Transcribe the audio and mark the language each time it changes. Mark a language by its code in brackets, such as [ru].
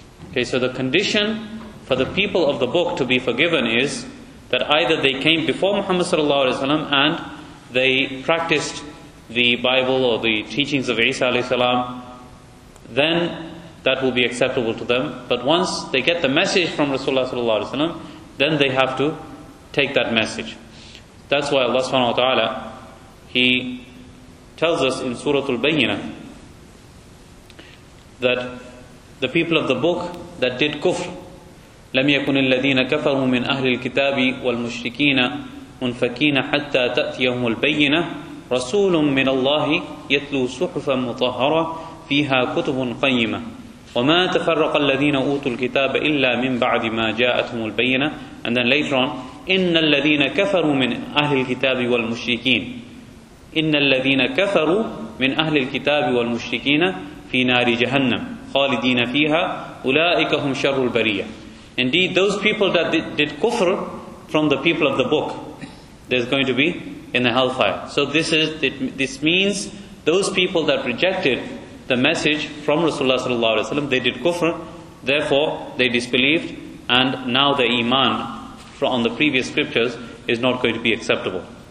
[en] Okay, so the condition for the people of the book to be forgiven is that either they came before Muhammad sallallahu alaihi wasallam and they practiced the Bible or the teachings of Isa alayhi salam, then that will be acceptable to them. But once they get the message from Rasulullah sallallahu alayhi wasallam, then they have to take that message. That's why Allah subhanahu wa ta'ala, He tells us in Surah Al-Bayyinah that the people of the book that did kufr, [ar] لَمْ يَكُنِ الَّذِينَ كَفَرُوا مِنْ أَهْلِ الْكِتَابِ وَالْمُشْرِكِينَ مُنْفَكِينَ حَتَّى تَأْتِيَهُمُ الْبَيِّنَةِ رَسُولٌ مِّنَ اللَّهِ يَتْلُو صُحُفًا مُطَهَّرَةً فِيهَا كُتُبٌ قَيِّمَةٌ وَمَا تَفَرَّقَ الَّذِينَ أُوتُوا الْكِتَابَ إِلَّا مِنْ بَعْدِ مَا جَاءَتْهُمُ الْبَيِّنَةُ. [en] And then later on, [ar] إِنَّ الَّذِينَ كَفَرُوا مِنْ أَهْلِ الْكِتَابِ وَالْمُشْرِكِينَ إِنَّ الَّذِينَ كَفَرُوا مِنْ أَهْلِ الْكِتَابِ وَالْمُشْرِكِينَ فِي نَارِ جَهَنَّمَ خَالِدِينَ فِيهَا أُولَئِكَ هُمْ شَرُّ الْبَرِيَّةِ. [en] Indeed, those people that did kufr from the people of the book, there's going to be in the hellfire. So this means those people that rejected the message from Rasulullah sallallahu alaihi wasallam, they did kufr, therefore they disbelieved, and now their iman on the previous scriptures is not going to be acceptable.